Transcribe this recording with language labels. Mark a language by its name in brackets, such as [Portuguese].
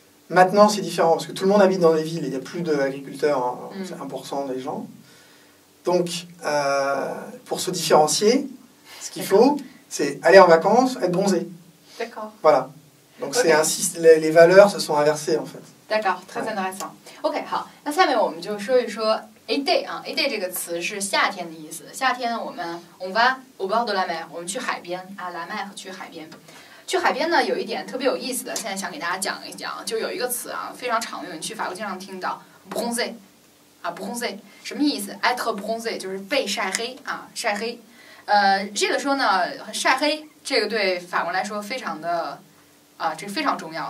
[French] Maintenant, c'est différent. Parce que tout le monde habite dans les villes. Il n'y a plus d'agriculteurs. Hein, mm-hmm. C'est 1% des gens. Donc, pour se différencier... Ce qu'il D'accord. faut, c'est aller en vacances, être bronzé. D'accord. Voilà. Donc, okay. les valeurs se sont inversées, en fait. D'accord, très intéressant. [Chinese] OK, 好。那下面我们就说一说 a day. A day 这个词是夏天的意思。夏天我们 [French] va au bord de la mer, [Chinese] 我们去海边。啊 la mer, 去海边。去海边呢，有一点特别有意思的，现在想给大家讲一讲，就有一个词啊，非常常用，去法国经常听到 bronzé。啊 bronzé, 什么意思 ?être bronzé, 就是被晒黑啊，晒黑。这个时候呢，晒黑这个对法国来说非常的，这非常重要。